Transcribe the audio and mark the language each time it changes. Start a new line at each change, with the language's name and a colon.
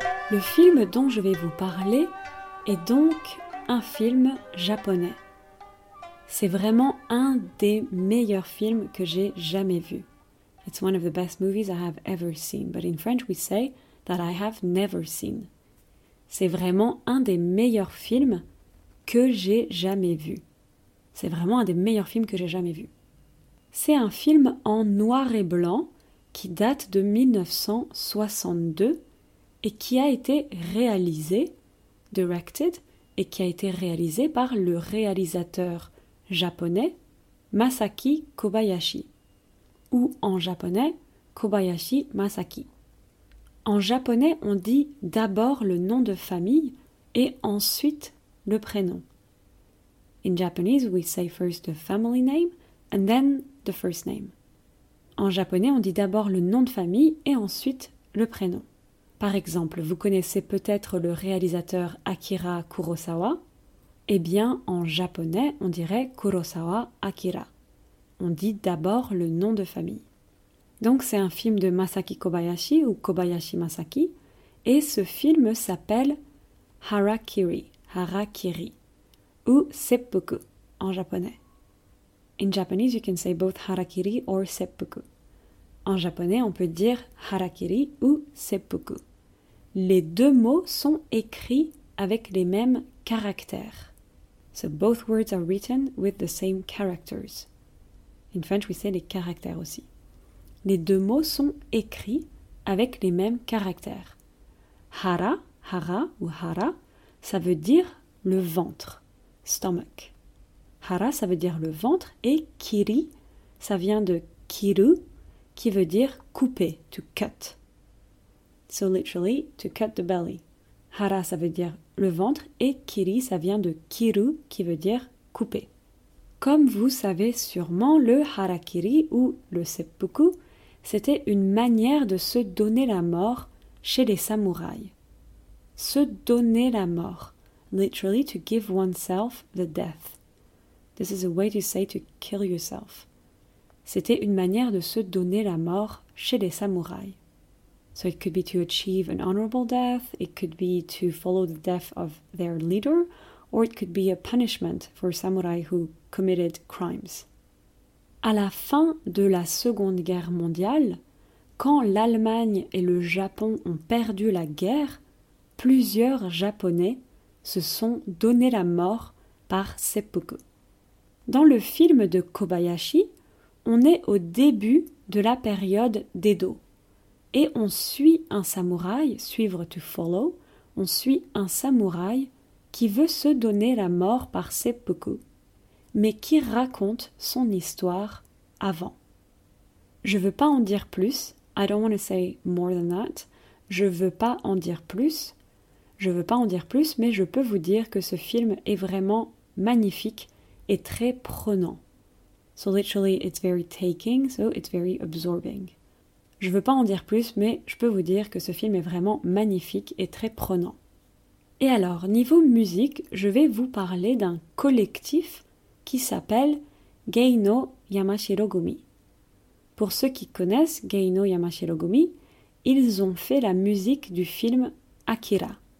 French: Le film dont je vais vous parler est donc un film japonais. C'est vraiment un des meilleurs films que j'ai jamais vu.
English: It's one of the best movies I have ever seen, but in French we say that I have never seen.
French: C'est vraiment un des meilleurs films que j'ai jamais vu. C'est vraiment un des meilleurs films que j'ai jamais vu. C'est un film en noir et blanc qui date de 1962 et qui a été réalisé, directed, et qui a été réalisé par le réalisateur japonais Masaki Kobayashi, ou en japonais Kobayashi Masaki. En japonais, on dit d'abord le nom de famille et ensuite le prénom.
English: In Japanese, we say first the family name and then the first name.
French: En japonais, on dit d'abord le nom de famille et ensuite le prénom. Par exemple, vous connaissez peut-être le réalisateur Akira Kurosawa. Eh bien, en japonais, on dirait Kurosawa Akira. On dit d'abord le nom de famille. Donc, c'est un film de Masaki Kobayashi ou Kobayashi Masaki. Et ce film s'appelle Harakiri. Harakiri. Ou Seppuku en japonais.
English: In Japanese, you can say both Harakiri or Seppuku.
French: En japonais, on peut dire Harakiri ou Seppuku. Les deux mots sont écrits avec les mêmes caractères.
English: So both words are written with the same characters. In French, we say
French: les caractères aussi. Les deux mots sont écrits avec les mêmes caractères. Hara, hara ou hara, ça veut dire le ventre, stomach. Hara, ça veut dire le ventre et kiri, ça vient de kiru, qui veut dire couper, to cut.
English: So literally, to cut the belly.
French: Hara, ça veut dire le ventre, et kiri, ça vient de kiru, qui veut dire couper. Comme vous savez sûrement, le harakiri ou le seppuku, c'était une manière de se donner la mort chez les samouraïs. Se donner la mort.
English: Literally, to give oneself the death. This is a way to say to kill yourself.
French: C'était une manière de se donner la mort chez les samouraïs.
English: So it could be to achieve an honorable death, it could be to follow the death of their leader, or it could be a punishment for samurai who committed crimes.
French: À la fin de la Seconde Guerre mondiale, quand l'Allemagne et le Japon ont perdu la guerre, plusieurs Japonais se sont donné la mort par seppuku. Dans le film de Kobayashi, on est au début de la période d'Edo. Et on suit un samouraï, suivre to follow, on suit un samouraï qui veut se donner la mort par seppuku, mais qui raconte son histoire avant. Je veux pas en dire plus,
English: I don't want to say more than that,
French: je veux pas en dire plus, je veux pas en dire plus, mais je peux vous dire que ce film est vraiment magnifique et très prenant.
English: So literally it's very taking, so it's very absorbing.
French: Je ne veux pas en dire plus, mais je peux vous dire que ce film est vraiment magnifique et très prenant. Et alors, niveau musique, je vais vous parler d'un collectif qui s'appelle Geino Yamashiro Gumi. Pour ceux qui connaissent Geino Yamashiro Gumi, ils ont fait la musique du film Akira.